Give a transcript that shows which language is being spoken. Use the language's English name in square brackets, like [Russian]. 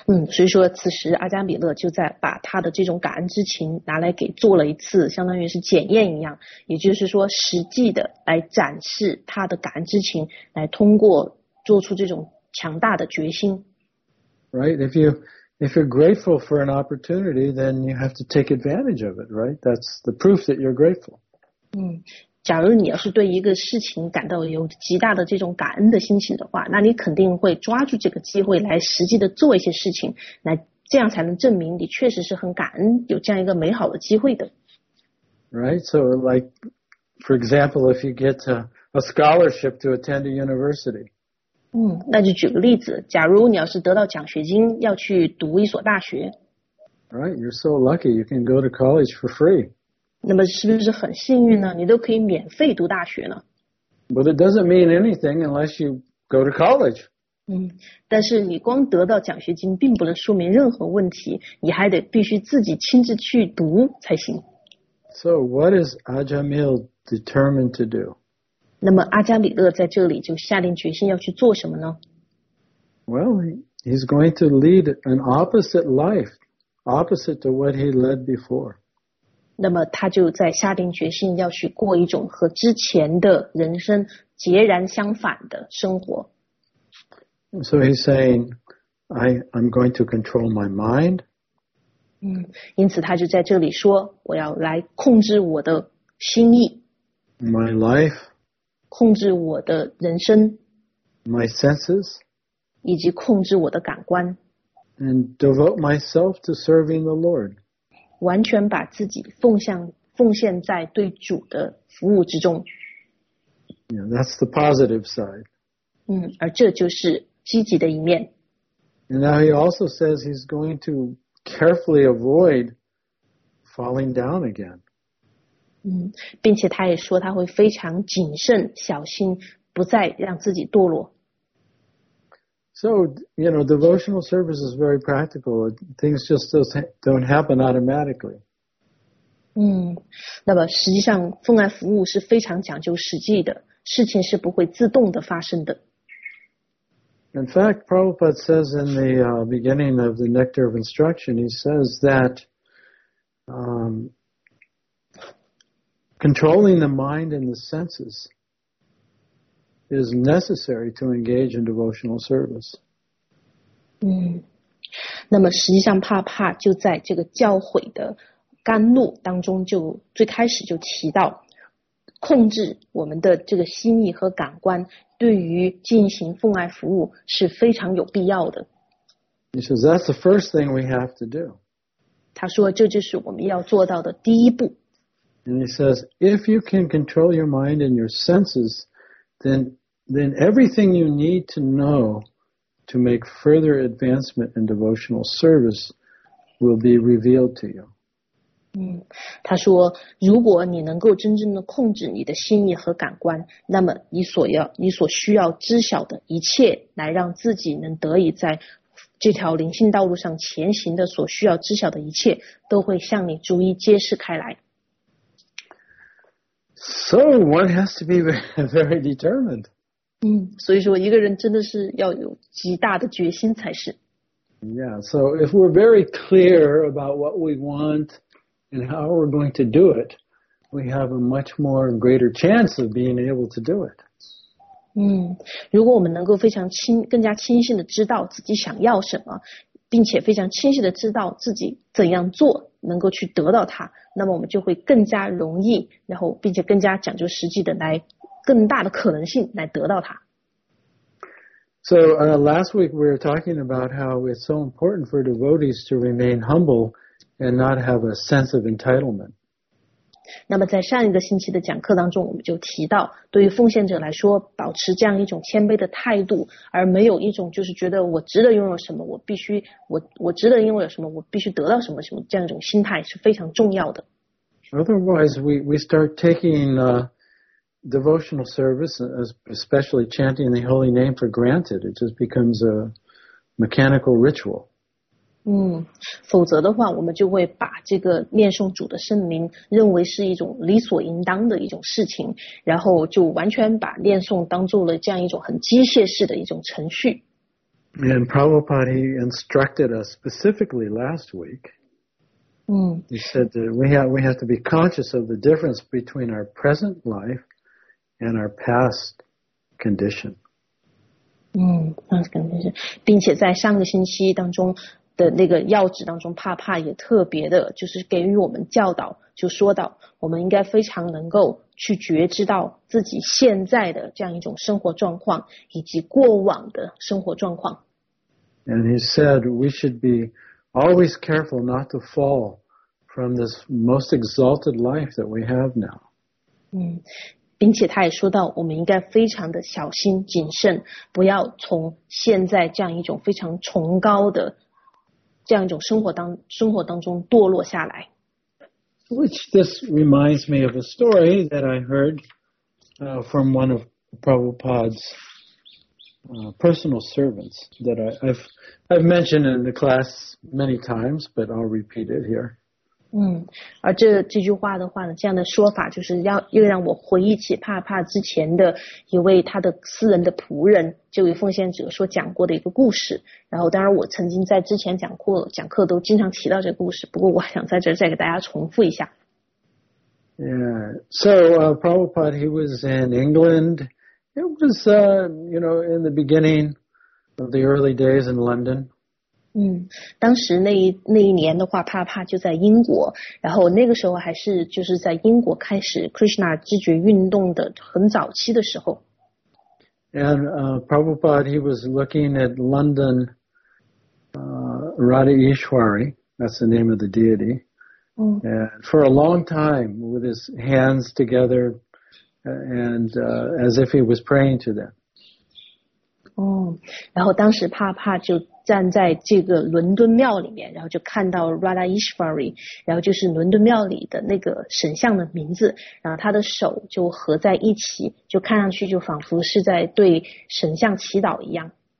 [Chinese] 所以说此时阿迦比勒就在把他的这种感恩之情拿来给做了一次，相当于是检验一样，也就是说实际的来展示他的感恩之情，来通过做出这种强大的决心。 [English] Right, if you're grateful for an opportunity, then you have to take advantage of it, right? That's the proof that you're grateful. [Chinese] 假如你要是对一个事情感到有极大的这种感恩的心情的话，那你肯定会抓住这个机会来实际的做一些事情，那这样才能证明你确实是很感恩有这样一个美好的机会的。 [English] Right, so like, for example, if you get a scholarship to attend a university. [Chinese] 那就举个例子，假如你要是得到奖学金要去读一所大学。 [English] Right, you're so lucky you can go to college for free. [Chinese] 那么是不是很幸运呢？你都可以免费读大学呢。 [English] But it doesn't mean anything unless you go to college. [Chinese] 但是你光得到奖学金并不能说明任何问题，你还得必须自己亲自去读才行。 [English] So what is Ajahn Mio determined to do? [Chinese] 那么阿迦米勒在这里就下定决心要去做什么呢？ [English] Well, he's going to lead an opposite life, opposite to what he led before. [Chinese] 那么他就在下定决心要去过一种和之前的人生截然相反的生活。 [English] So he's saying, I'm going to control my mind. [Chinese] 因此他就在这里说，我要来控制我的心意。 [English] My life. [Chinese] 控制我的人生 [English] my senses, [Chinese] 以及控制我的感官 [English] and devote myself to serving the Lord, [Chinese] 完全把自己奉献在对主的服务之中。 [English] Yeah, that's the positive side. [Chinese] 而这就是积极的一面。 [English] And now he also says he's going to carefully avoid falling down again. [Chinese] 并且他也说他会非常谨慎小心不再让自己堕落。 [English] So, you know, devotional service is very practical. Things just don't happen automatically. [Chinese] 那么实际上奉爱服务是非常讲究实际的，事情是不会自动的发生的。 [English] In fact, Prabhupada says in the beginning of the Nectar of Instruction, he says that controlling the mind and the senses is necessary to engage in devotional service. [Chinese] 那么实际上帕帕就在这个教诲的甘露当中就最开始就提到控制我们的这个心意和感官对于进行奉爱服务是非常有必要的。 [English] He says that's the first thing we have to do. [Chinese] 他说这就是我们要做到的第一步。 [English] And he says, if you can control your mind and your senses, then everything you need to know to make further advancement in devotional service will be revealed to you. [Chinese] 他说如果你能够真正的控制你的心意和感官，那么你所需要知晓的一切，来让自己能得以在这条灵性道路上前行的所需要知晓的一切，都会向你逐一揭示开来。 [English] So one has to be very determined. [Chinese] 所以说一个人真的是要有极大的决心才是。 [English] Yeah, so if we're very clear about what we want,And how we're going to do it, we have a much more greater chance of being able to do it. [Chinese] 如果我们能够非常更加清晰的知道自己想要什么，并且非常清晰的知道自己怎样做能够去得到它，那么我们就会更加容易，然后并且更加讲究实际的来更大的可能性来得到它。 [English] So, last week we were talking about how it's so important for devotees to remain humble. And not have a sense of entitlement. [Chinese] 那么在上一个星期的讲课当中，我们就提到，对于奉献者来说，保持这样一种谦卑的态度，而没有一种就是觉得我值得拥有什么，我必须得到什么什么这样一种心态是非常重要的。 [English] Otherwise, we start taking devotional service, especially chanting the holy name, for granted. It just becomes a mechanical ritual. [Chinese] 否则的话我们就会把这个念诵主的圣名认为是一种理所应当的一种事情，然后就完全把念诵当做了这样一种很机械式的一种程序。 [English] And Prabhupada he instructed us specifically last week. He said that we have to be conscious of the difference between our present life and our past condition. past condition. [Chinese] 并且在上个星期当中的那个要旨当中，帕帕也特别的就是给予我们教导，就说到我们应该非常能够去觉知到自己现在的这样一种生活状况以及过往的生活状况。 [English] And he said we should be always careful not to fall from this most exalted life that we have now. [Chinese] 并且他也说到我们应该非常的小心谨慎，不要从现在这样一种非常崇高的这样一种生活当中堕落下来。 [English] Which this reminds me of a story that I heard from one of Prabhupada's personal servants that I've mentioned in the class many times, but I'll repeat it here. [Chinese] 而这句话的话呢，这样的说法就是又让我回忆起帕帕之前的一位他的私人的仆人，这位奉献者所讲过的一个故事。然后当然我曾经在之前讲课都经常提到这个故事，不过我想在这再给大家重复一下。 [English] Yeah, so Prabhupada, he was in England. It was, you know, in the beginning of the early days in London. [Chinese] 当时那一年的话，帕帕就在英国，然后那个时候还是就是在英国开始 Krishna 知觉运动的很早期的时候。 [English] And Prabhupada, he was looking at London, Radha Ishwari, that's the name of the deity. And for a long time, with his hands together, and as if he was praying to them. [Chinese] 然后当时帕帕就站在这个伦敦庙里面，然后就看到 Radha Ishwari， 然后就是伦敦庙里的那个神像的名字，然后他的手就合在一起，就看上去就仿佛是在对神像祈祷一样。